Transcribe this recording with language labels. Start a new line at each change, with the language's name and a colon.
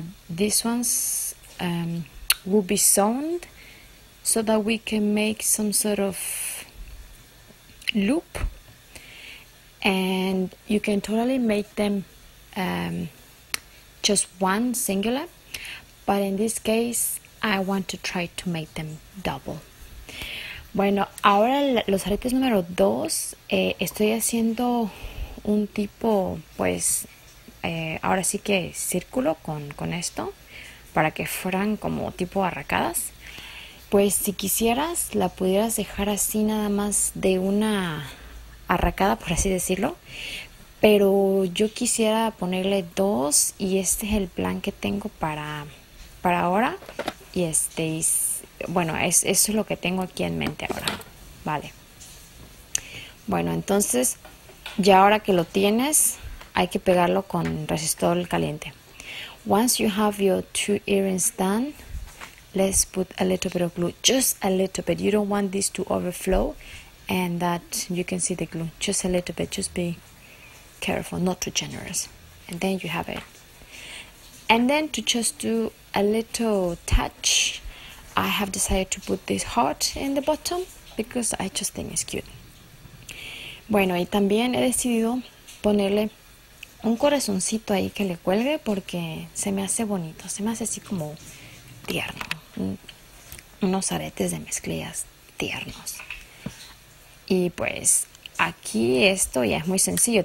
English: These ones will be sewn so that we can make some sort of loop, and you can totally make them just one singular, but in this case I want to try to make them double.
Spanish: Bueno, ahora los aretes número 2, estoy haciendo un tipo, pues, ahora sí que círculo con esto, para que fueran como tipo arracadas. Pues si quisieras, la pudieras dejar así nada más de una arracada, por así decirlo. Pero yo quisiera ponerle 2, y este es el plan que tengo para ahora. Y eso es lo que tengo aquí en mente ahora. Vale. Bueno, entonces, ya ahora que lo tienes, hay que pegarlo con resistol caliente.
English: Once you have your 2 earrings done, let's put a little bit of glue. Just a little bit. You don't want this to overflow, and that you can see the glue. Just a little bit. Just be careful, not too generous. And then you have it. And then to just do a little touch, I have decided to put this heart in the bottom because I just think it's cute.
Spanish: Bueno, y también he decidido ponerle un corazoncito ahí que le cuelgue, porque se me hace bonito, se me hace así como tierno. Unos aretes de mezclillas tiernos. Y pues aquí esto ya es muy sencillo.